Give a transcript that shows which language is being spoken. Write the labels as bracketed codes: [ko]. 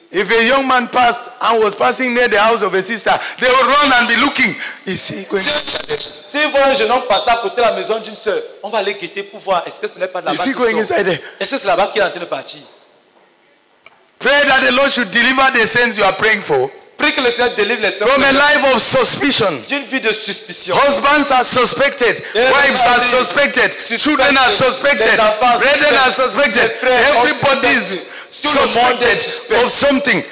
[en] If a young man passed and was passing near the house of a sister, they would run and be looking. Is he going to inside? [fr] Si ils voient un jeune homme passer à côté de la maison d'une sœur, on va aller guetter pour voir. Est-ce que ce n'est pas là-bas qu'il sort? Est-ce que c'est là-bas qu'il est en train de partir? [en] Pray that the Lord should deliver the saints you are praying for. From a life of suspicion. [fr] D'une vie de suspicion. [en] Husbands are suspected. Wives are suspected. Children are suspected. Brethren are suspected. Everybody is suspected of something.